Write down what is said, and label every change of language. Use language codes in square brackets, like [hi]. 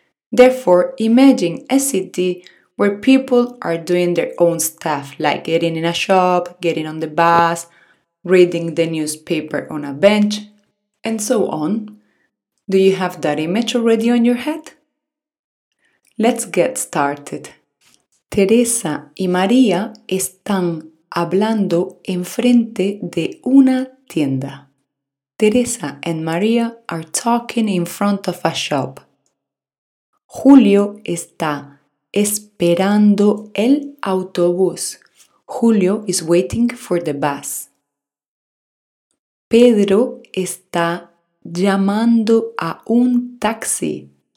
[en] Therefore, imagine a city where people are doing their own stuff, like getting in a shop, getting on the bus, reading the newspaper on a bench, and so on. Do you have that image already on your head? Let's get started. [es] Teresa y María están hablando enfrente de una tienda. [en] Teresa and Maria are talking in front of a shop. [es] Julio está esperando el autobús. [en] Julio is waiting for the bus. [es] Pedro está llamando a un taxi.